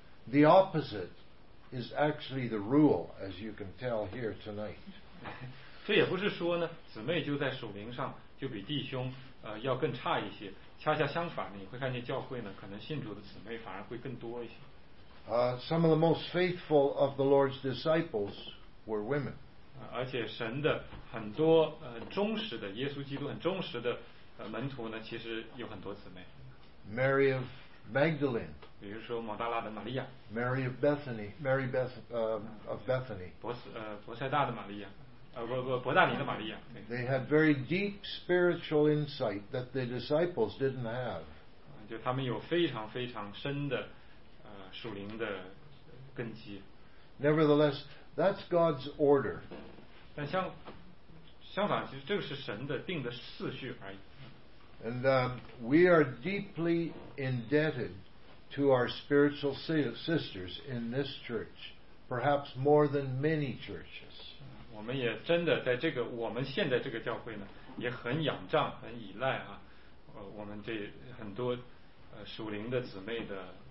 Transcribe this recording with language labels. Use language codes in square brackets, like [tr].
[en] The opposite is actually the rule, as you can tell here tonight. [zh] 这也不是说呢，姊妹就在属灵上就比弟兄要更差一些。恰恰相反，你会看见教会呢，可能信主的姊妹反而会更多一些。 [en] Some of the most faithful of the Lord's disciples were women. [zh] 而且神的很多忠实的耶稣基督很忠实的门徒呢，其实有很多姊妹。 [en] Mary of Magdalene. [zh] 比如说抹大拉的玛利亚。 [en] Mary of Bethany. Mary Beth of Bethany. [zh] 伯塞大的玛利亚。伯大尼的玛利亚。 [en] They had very deep spiritual insight that the disciples didn't have. [zh] 就他们有非常非常深的属灵的根基。 [en] Nevertheless, that's God's order. [zh] 但相反，其实这个是神的定的次序而已。 [en] And we are deeply indebted to our spiritual sisters in this church, perhaps more than many churches. [zh] 我们也真的在这个我们现在这个教会呢，也很仰仗、很依赖啊，我们这很多属灵的姊妹的。